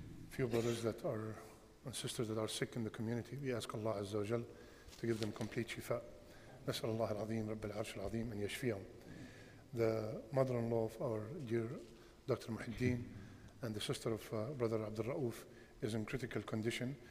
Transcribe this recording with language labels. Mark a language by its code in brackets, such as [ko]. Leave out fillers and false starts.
[en] few brothers that are, and sisters that are sick in the community. We ask Allah Azza wa Jal to give them complete shifa. [ar] نسأل الله العظيم رب العرش العظيم أن يشفيهم. [en] The mother-in-law of our dear Dr. Muhiddin and the sister of brother Abdul Rauf is in critical condition.